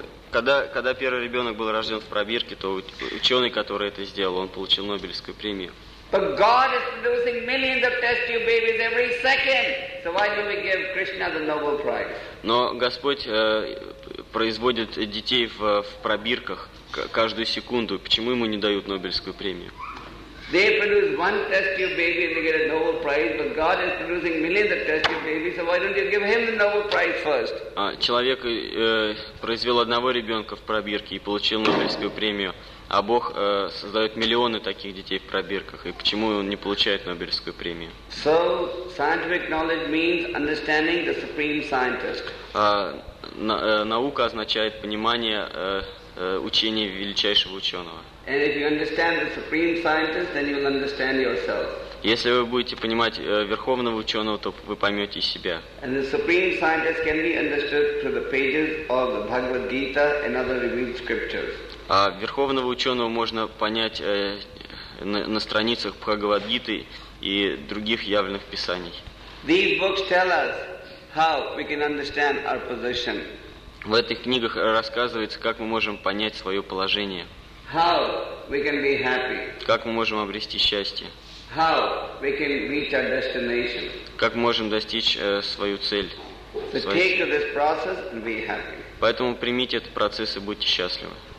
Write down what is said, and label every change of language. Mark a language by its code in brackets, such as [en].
[ru] Когда первый ребенок был рожден в пробирке, то ученый, который это сделал, он получил Нобелевскую премию. [en] But God is producing millions of test tube babies every second. So why do we give Krishna the Nobel Prize? [ru] Но Господь производит детей в пробирках каждую секунду. Почему ему не дают Нобелевскую премию? [en] They produce one test tube baby and they get a Nobel Prize, but God is producing millions of test tube babies. So why don't you give him the Nobel Prize first? [ru] Человек произвел одного ребенка в пробирке и получил Нобелевскую премию. А Бог создает миллионы таких детей в пробирках, и почему он не получает Нобелевскую премию? [en] So, scientific knowledge means understanding the supreme scientist. [ru] Наука означает понимание учения величайшего ученого. [en] And if you understand the supreme scientist, then you'll understand yourself. [ru] Если вы будете понимать верховного ученого, то вы поймете себя. [en] And the supreme scientist can be understood through the pages of the Bhagavad Gita and other revealed scriptures. [ru] А верховного ученого можно понять на страницах Бхагавад-гиты и других явленных писаний. [en] These books tell us how we can understand our position. [ru] В этих книгах рассказывается, как мы можем понять свое положение. [en] How we can be happy. [ru] Как мы можем обрести счастье. [en] How we can reach our destination. [ru] Как мы можем достичь свою цель. [en] So take to this process and be happy. [ru] Поэтому примите этот процесс и будьте счастливы.